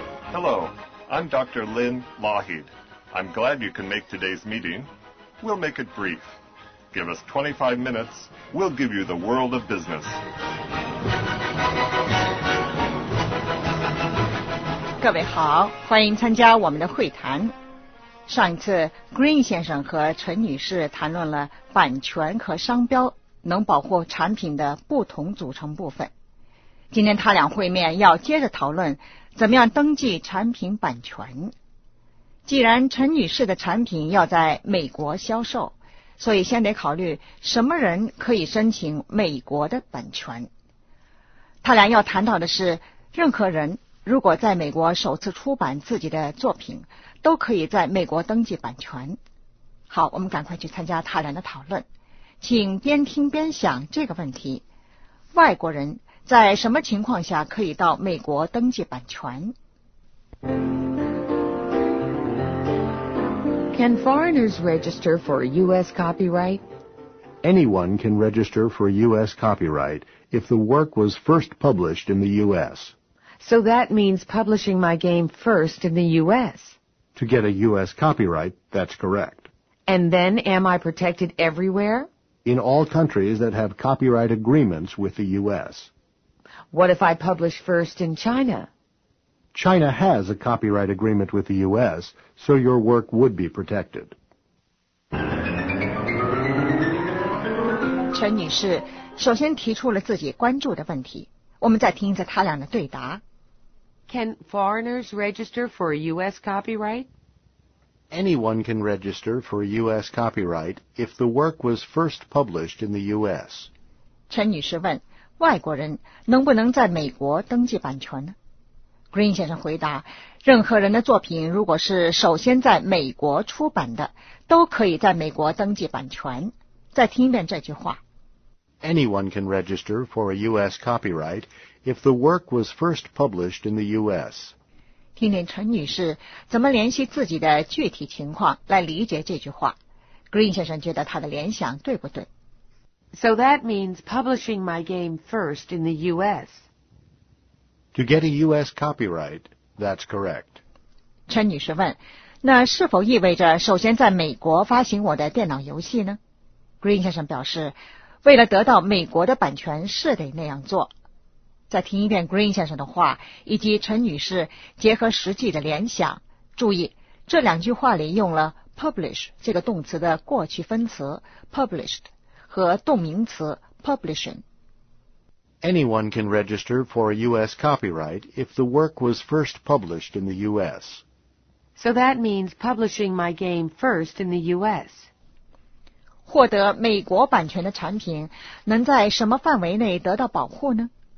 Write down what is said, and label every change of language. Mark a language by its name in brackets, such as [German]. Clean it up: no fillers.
[English] Hello. I'm Dr. Lynn Lougheed. I'm glad you can make today's meeting. We'll make it brief. Give us 25 minutes. We'll give you the world of business. [Chinese] 各位好，欢迎参加我们的会谈。上一次 Green 先生和陈女士谈论了版权和商标能保护产品的不同组成部分。今天他俩会面要接着讨论怎么样登记产品版权。既然陈女士的产品要在美国销售，所以先得考虑什么人可以申请美国的版权。他俩要谈到的是，任何人如果在美国首次出版自己的作品，都可以在美国登记版权。好，我们赶快去参加他俩的讨论，请边听边想这个问题：外国人在什么情况下可以到美国登记版权？ [English] Can foreigners register for U.S. copyright? Anyone can register for U.S. copyright if the work was first published in the U.S. So that means publishing my game first in the U.S. To get a U.S. copyright, that's correct. And then am I protected everywhere? In all countries that have copyright agreements with the U.S. What if I publish first in China? China has a copyright agreement with the U.S., so your work would be protected. [Chinese] 陈女士首先提出了自己关注的问题，我们再听一次他俩的对答。 [English] Can foreigners register for U.S. copyright? Anyone can register for U.S. copyright if the work was first published in the U.S. [Chinese] 陈女士问，外国人能不能在美国登记版权呢？ Green 先生回答，任何人的作品如果是首先在美国出版的，都可以在美国登记版权。再听一遍这句话。 [English] Anyone can register for a U.S. copyright if the work was first published in the U.S. [Chinese] 听听陈女士怎么联系自己的具体情况来理解这句话。 Green 先生觉得她的联想对不对？ [English] So that means publishing my game first in the U.S. To get a U.S. copyright, that's correct. [Chinese] 陈女士问，那是否意味着首先在美国发行我的电脑游戏呢？ Green 先生表示，为了得到美国的版权是得那样做。再听一遍 Green 先生的话，以及陈女士结合实际的联想。注意，这两句话里用了 publish 这个动词的过去分词 published。和动名词 publishing。 [English] Anyone can register for a U.S. copyright if the work was first published in the U.S. So that means publishing my game first in the U.S. [Chinese] 获得美国版权的产品能在什么范围内得到保护呢？